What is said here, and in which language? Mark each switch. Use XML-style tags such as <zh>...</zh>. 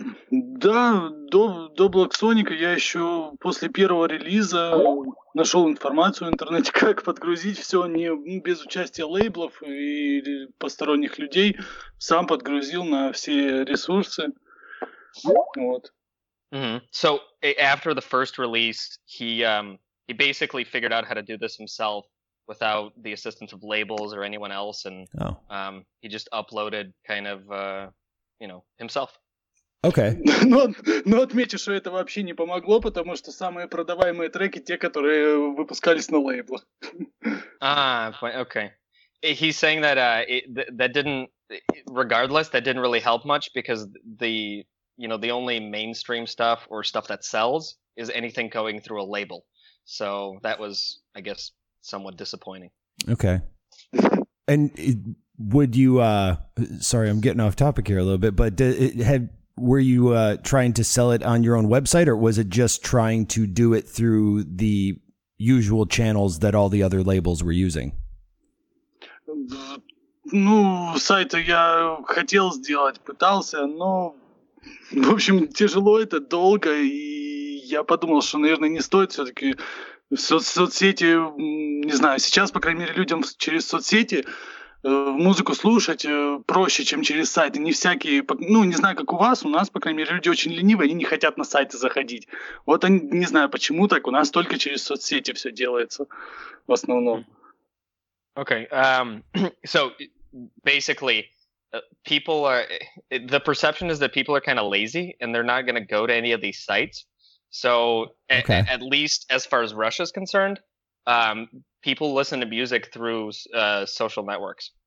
<ru>Да, до Bloxsonic я еще после первого релиза нашел информацию в интернете, как подгрузить все не без участия лейблов и посторонних людей, сам подгрузил на все ресурсы. Вот. Mm-hmm.</ru> <en>So after the first release, he basically figured out how to do this himself without the assistance of labels or anyone else, and he just uploaded kind of himself. Okay.</en> <ru>Но отметь, что это вообще не помогло, потому что самые продаваемые треки те, которые выпускались на лейблах.</ru> <en>Okay. He's saying that that didn't really help much because the only mainstream stuff or stuff that sells is anything going through a label. So that was, I guess, somewhat disappointing. Okay. And would you, sorry, I'm getting off topic here a little bit, but were you trying to sell it on your own website, or was it just trying to do it through the usual channels that all the other labels were using?</en> <ru>Ну, сайта я хотел сделать, пытался, но... В общем, тяжело это, долго, и я подумал, что, наверное, не стоит все-таки в соцсети, не знаю, сейчас, по крайней мере, людям через соцсети музыку слушать проще, чем через сайты. Не всякие, ну, не знаю, как у вас, у нас, по крайней мере, люди очень ленивые, они не хотят на сайты заходить. Вот они, не знаю, почему так, у нас только через соцсети все делается в основном.</ru> <en>Okay, so, basically... people are, the perception is that people are kind of lazy and they're not going to go to any of these sites. So at least as far as Russia is concerned, people listen to music through social networks.</en>